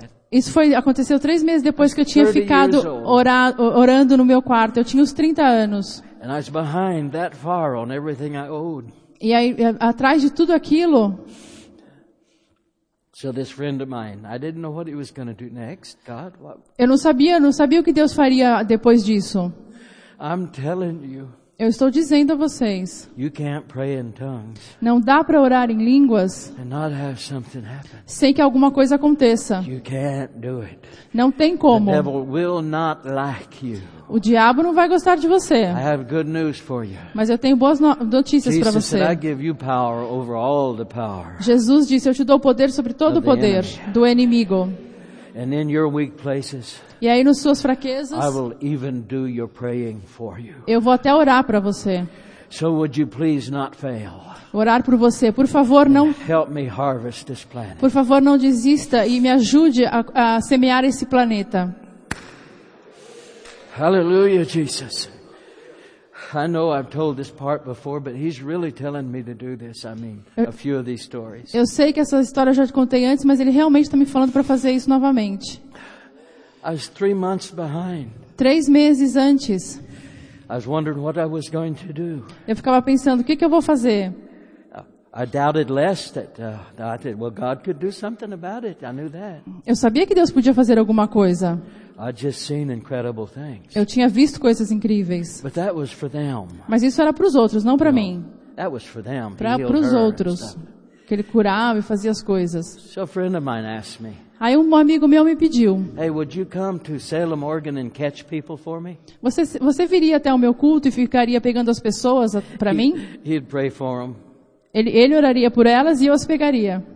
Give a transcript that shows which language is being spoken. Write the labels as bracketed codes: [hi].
[pt] Isso foi, aconteceu 3 meses depois que eu tinha ficado orando no meu quarto. Eu tinha uns 30 anos. E eu estava [en] behind that far on everything I owed. [pt] E aí, atrás de tudo aquilo. [en] So this friend of mine, I didn't know what he was going to do next. God, what? [pt] Eu não sabia o que Deus faria depois disso. [en] I'm telling you. [pt] Eu estou dizendo a vocês. [en] You can't pray in tongues. [pt] Não dá para orar em línguas. [en] And not have something happen. [pt] Sem que alguma coisa aconteça. [en] You can't do it. [pt] Não tem como. [en] The devil will not like you. [pt] O diabo não vai gostar de você. [en] I have good news for you. [pt] Mas eu tenho boas notícias para você. [en] Jesus, I give you power over all the power. [pt] Jesus disse, eu te dou poder sobre todo o poder do inimigo. [en] And in your weak places, [pt] e aí nas suas fraquezas, [en] I will even do your praying for you. [pt] Eu vou até orar para você. [en] So would you please not fail? [pt] Orar por você, por favor, não. [en] Help me harvest this planet. [pt] Por favor, não desista e me ajude a semear esse planeta. [en] Hallelujah, Jesus. I know I've told this part before, but he's really telling me to do this. I mean, a few of these stories. [pt] Eu sei que essas histórias eu já te contei antes, mas ele realmente está me falando para fazer isso novamente. [en] I was 3 months behind. [pt] 3 meses antes. [en] I was wondering what I was going to do. [pt] Eu ficava pensando o que eu vou fazer. [en] I doubted less that I did. Well, God could do something about it. I knew that. [pt] Eu sabia que Deus podia fazer alguma coisa. [en] I'd just seen incredible things. [pt] Eu tinha visto coisas incríveis. [en] But that was for them. [pt] Mas isso era para os outros, não para mim. [en] That was for them. [pt] Para os outros, que ele curava e fazia as coisas. [en] So a friend of mine asked me. [pt] Aí um amigo meu me pediu. [en] Hey, would you come to Salem, Oregon, and catch people for me? [pt] Você viria até o meu culto e ficaria pegando as pessoas para mim? [en] He'd pray for them. [pt] Ele oraria por elas e eu as pegaria.